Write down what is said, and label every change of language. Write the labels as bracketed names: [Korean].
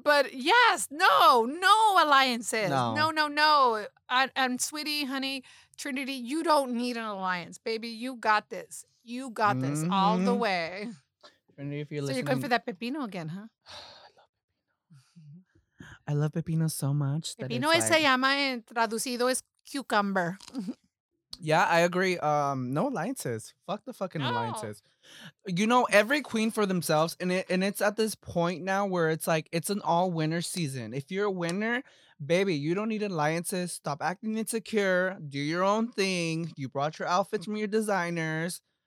[English] but yes, no alliances. No. And sweetie, honey, Trinity, you don't need an alliance. Baby, you got this. You got this all the way. Trinity, if you're listening. So you're going for that pepino again, huh? I love pepino so much. [Spanish] Pepino se llama en traducido es cucumber. [English] Yeah, I agree. No alliances. Fuck the fucking alliances. You know, every queen for themselves, and it's at this point now where it's like, it's an all-winner season. If you're a winner, baby, you don't need alliances. Stop acting insecure. Do your own thing. You brought your outfits from your designers.